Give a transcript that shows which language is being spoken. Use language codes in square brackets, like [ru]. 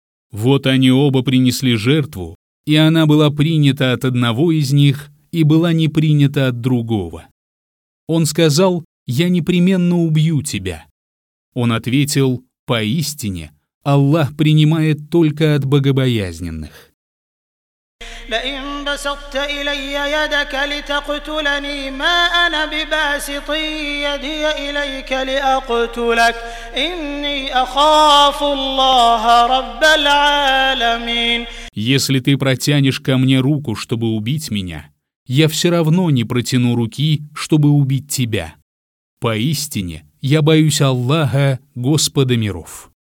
[ru] Вот они оба принесли жертву, и она была принята от одного из них и была не принята от другого. Он сказал: «Я непременно убью тебя». Он ответил: «Поистине, Аллах принимает только от богобоязненных». [ar] لئن بسطت إلي يدك لتقتلني ما أنا بباسط يدي إليك لأقتلك إني أخاف الله رب العالمين. [ru] Если ты протянешь ко мне руку, чтобы убить меня, я все равно не протяну руки, чтобы убить тебя. Поистине, я боюсь Аллаха, Господа миров.